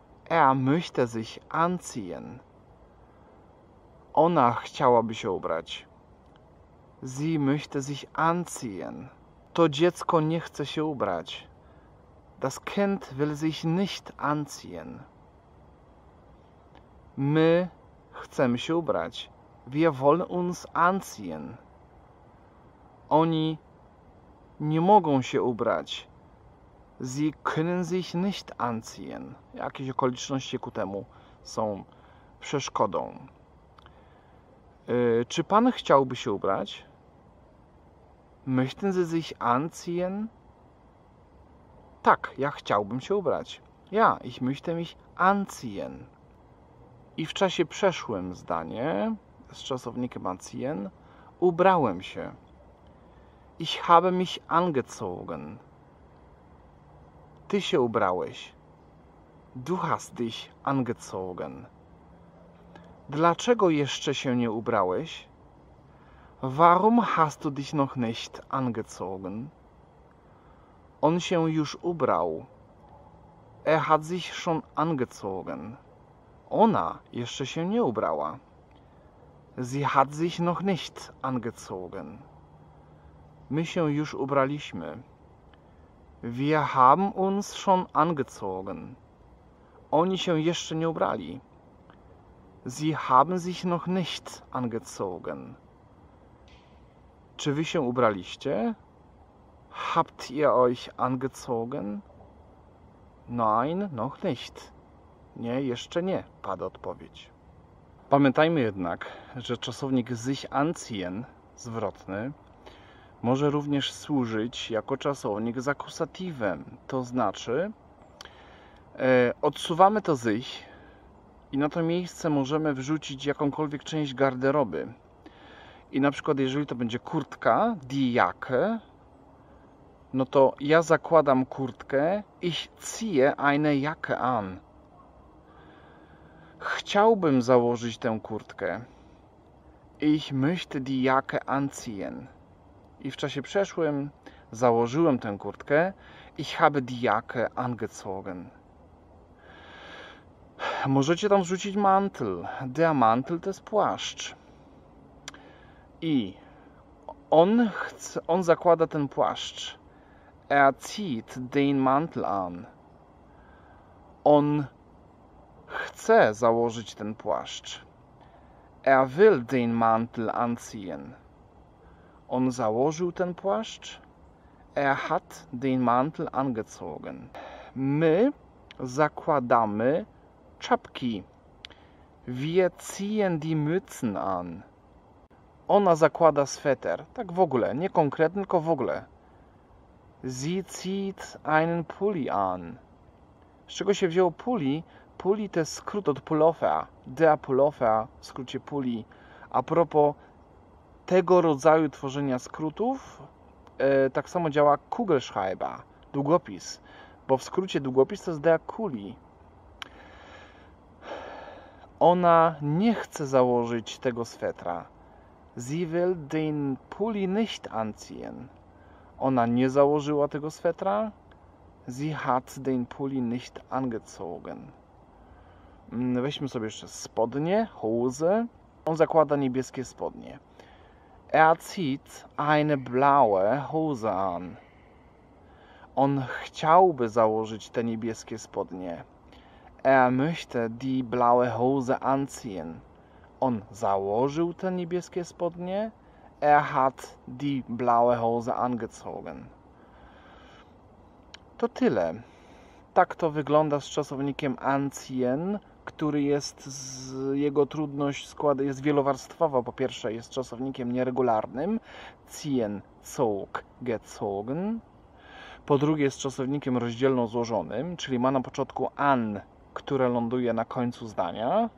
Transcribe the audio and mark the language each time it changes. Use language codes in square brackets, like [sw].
[de] Er möchte sich anziehen. [pl] Ona chciałaby się ubrać. [de] Sie möchte sich anziehen. [pl] To dziecko nie chce się ubrać. [de] Das Kind will sich nicht anziehen. [pl] My chcemy się ubrać. [de] Wir wollen uns anziehen. [pl] Oni nie mogą się ubrać. [de] Sie können sich nicht anziehen. [pl] Jakieś okoliczności ku temu są przeszkodą. Czy pan chciałby się ubrać? [de] Möchten Sie sich anziehen? [pl] Tak, ja chciałbym się ubrać. [de] Ja, ich möchte mich anziehen. [pl] I w czasie przeszłym zdanie z czasownikiem anziehen ubrałem się. [de] Ich habe mich angezogen. [pl] Ty się ubrałeś. [de] Du hast dich angezogen. [pl] Dlaczego jeszcze się nie ubrałeś? [de] Warum hast du dich noch nicht angezogen? [pl] On się już ubrał. [de] Er hat sich schon angezogen. [pl] Ona jeszcze się nie ubrała. [de] Sie hat sich noch nicht angezogen. [pl] My się już ubraliśmy. [de] Wir haben uns schon angezogen. [pl] Oni się jeszcze nie ubrali. [de] Sie haben sich noch nicht angezogen. [pl] Czy wy się ubraliście? [de] Habt ihr euch angezogen? Nein, noch nicht. [pl] Nie, jeszcze nie, padła odpowiedź. Pamiętajmy jednak, że czasownik sich anziehen, zwrotny, może również służyć jako czasownik z akusatywem. To znaczy, odsuwamy to sich i na to miejsce możemy wrzucić jakąkolwiek część garderoby. I na przykład, jeżeli to będzie kurtka, die Jacke, no to ja zakładam kurtkę, [de] ich ziehe eine Jacke an. [pl] Chciałbym założyć tę kurtkę. [de] Ich möchte die Jacke anziehen. [pl] I w czasie przeszłym założyłem tę kurtkę. [de] Ich habe die Jacke angezogen. [pl] Możecie tam wrzucić mantel. Der Mantel to jest płaszcz. I on zakłada ten płaszcz. [de] Er zieht den Mantel an. [pl] On chce założyć ten płaszcz. [de] Er will den Mantel anziehen. [pl] On założył ten płaszcz. [de] Er hat den Mantel angezogen. [pl] My zakładamy czapki. [de] Wir ziehen die Mützen an. [pl] Ona zakłada sweter. Tak w ogóle, nie konkretnie, tylko w ogóle. [de] Sie zieht einen Pulli an. [pl] Z czego się wziął Pulli? Pulli to jest skrót od Pullover. Der Pullover w skrócie Pulli. A propos tego rodzaju tworzenia skrótów, tak samo działa Kugelschreiber, długopis. Bo w skrócie długopis to jest der Kuli. Ona nie chce założyć tego swetra. [de] Sie will den Pulli nicht anziehen. [pl] Ona nie założyła tego swetra. [de] Sie hat den Pulli nicht angezogen. [pl] Weźmy sobie jeszcze spodnie, Hose. On zakłada niebieskie spodnie. [de] Er zieht eine blaue Hose an. [pl] On chciałby założyć te niebieskie spodnie. [de] Er möchte die blaue Hose anziehen. [pl] On założył te niebieskie spodnie. [de] Er hat die blaue Hose angezogen. [pl] To tyle. Tak to wygląda z czasownikiem anziehen, który jest z jego trudność składa jest wielowarstwowa. Po pierwsze, jest czasownikiem nieregularnym. Ziehen, zog, gezogen. Po drugie, jest czasownikiem rozdzielno złożonym, czyli ma na początku an, które ląduje na końcu zdania.